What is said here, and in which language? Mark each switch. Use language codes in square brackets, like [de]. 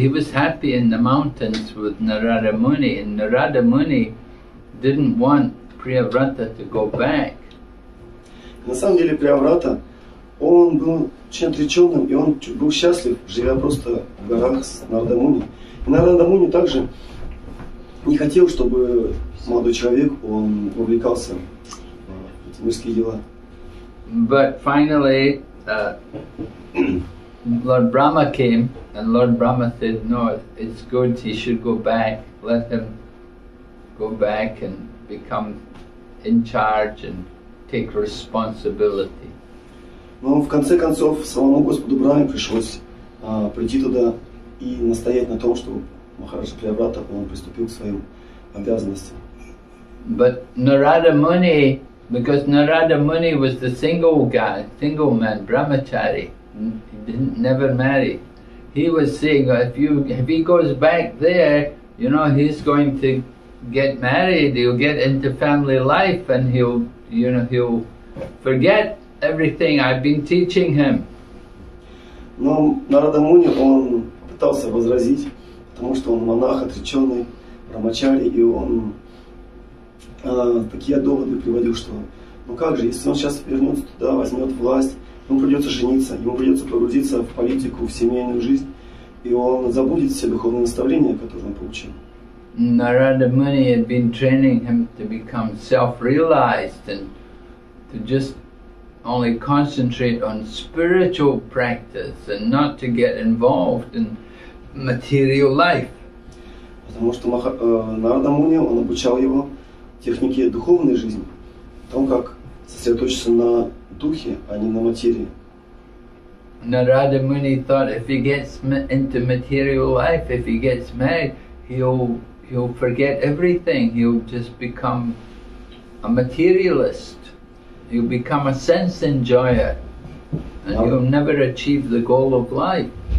[en] He was happy in the mountains with Narada Muni, and Narada Muni didn't want Priyavrata to go back. [ru] На самом деле Priyavrata, он был очень отреченным, и он был счастлив, живя просто в горах с Нарада Муни. И Нарада Муни также не хотел, чтобы молодой человек, он увлекался в эти мирские дела. [en] But finally, Lord Brahma came, and Lord Brahma said, no, it's good, he should go back, let him go back and become in charge and take responsibility. [ru] Но в конце концов самому Господу Брахме пришлось прийти туда и настоять на том, чтобы Махараджа Priyavrata он приступил к своим обязанностям. [en] But Narada Muni, because Narada Muni was the single guy, single man, brahmachari, he didn't never marry. He was saying, if he goes back there, you know, he's going to get married, he'll get into family life, and he'll forget everything I've been teaching him. [ru] Но Нарада Муни, он пытался возразить, потому что он монах, отреченный, брахмачари, и он такие доводы приводил, что ну как же, если он сейчас вернется туда, возьмет власть, ему придется жениться, ему придется погрузиться в политику, в семейную жизнь, и он забудет все духовные наставления, которые он получил. [en] Narada Muni had been training him to become self-realized and to just only concentrate on spiritual practice and not to get involved in material life. [ru] Потому что Narada Muni, он обучал его технике духовной жизни, о том, как сосредоточиться на духе, а не на материи. [en] Narada Muni thought if he gets into material life, if he gets married, he'll forget everything, he'll just become a materialist, he'll become a sense enjoyer, and he'll never achieve the goal of life.